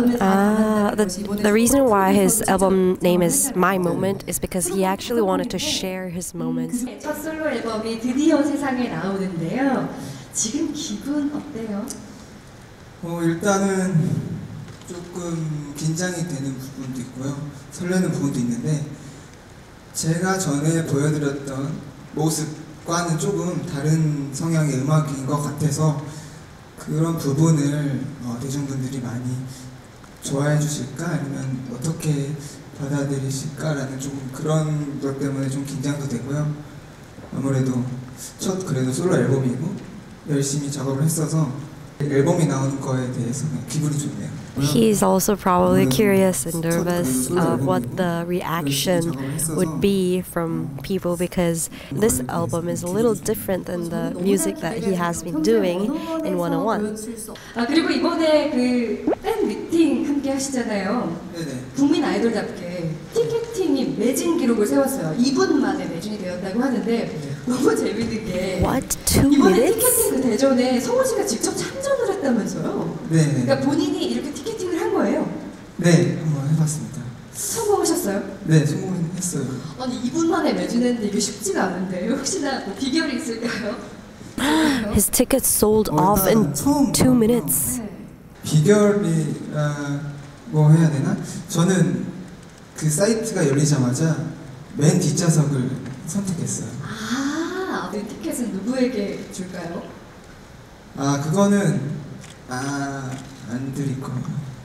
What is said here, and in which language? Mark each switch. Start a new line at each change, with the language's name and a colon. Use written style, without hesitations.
English: The reason why his album name is My Moment is because he actually wanted to share his moments.
Korean: 첫 솔로 앨범이 드디어 세상에 나오는데요. 지금 기분 어때요? 일단은 조금 긴장이 되는 부분도 있고요. 설레는 부분도 있는데 제가 전에 보여드렸던 모습과는 조금 다른 성향의 음악인 것 같아서 그런 부분을 대중분들이 많이 좋아해 주실까 아니면 어떻게 받아들이실까라는 조금 그런 것 때문에 좀 긴장도 되고요. 아무래도 첫 그래도 솔로 앨범이고 열심히 작업을 했어서 앨범이 나온 거에 대해서 기분이 좋네요.
English: He is also probably curious and nervous of what the reaction would be from people because this album is a little different than the music that he has been doing in 101.
Korean: 아, 그리고 이번에 그 팬 미팅 함께 하시잖아요. 국민 아이돌답게 티켓팅이 매진 기록을 세웠어요. 2분 만에 매진이 되었다고 하는데 너무 재밌는 게
English: What? 2 minutes?
Korean: 이번에 티켓팅 대전에 성훈 씨가 직접 참전을 했다면서요. 네. 그러니까 본인이 이렇게 티켓팅을 한 거예요. 네, 한번 해봤습니다. 성공하셨어요? 네, 성공했어요. 아니 2분 만에 매진했는데 이게 쉽지가 않은데 혹시나 뭐 비결이 있을까요?
English: His tickets sold off in 2 minutes.
Korean: 비결이 뭐 해야 되나? 저는 그 사이트가 열리자마자 맨 뒷좌석을 선택했어요. 아, 네, 티켓은 누구에게 줄까요? 아, 그거는 안 드릴 거예요.